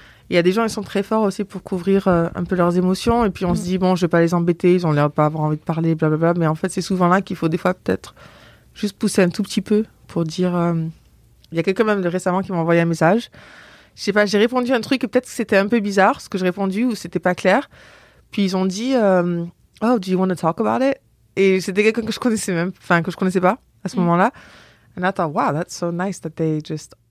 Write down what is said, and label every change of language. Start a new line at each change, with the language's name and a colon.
French: Il y a des gens, ils sont très forts aussi pour couvrir un peu leurs émotions, et puis on se dit, bon, je vais pas les embêter, ils ont l'air de pas avoir envie de parler, blablabla, mais en fait c'est souvent là qu'il faut des fois peut-être juste pousser un tout petit peu pour dire... Il y a quelqu'un même de récemment qui m'a envoyé un message, je sais pas, j'ai répondu un truc, peut-être que c'était un peu bizarre ce que j'ai répondu ou c'était pas clair. Puis ils ont dit,
English: oh, do you want to talk about it?
French: Et c'était quelqu'un que je connaissais même, enfin, que je connaissais pas à ce moment-là.
English: And I thought, wow, that's so nice that they just.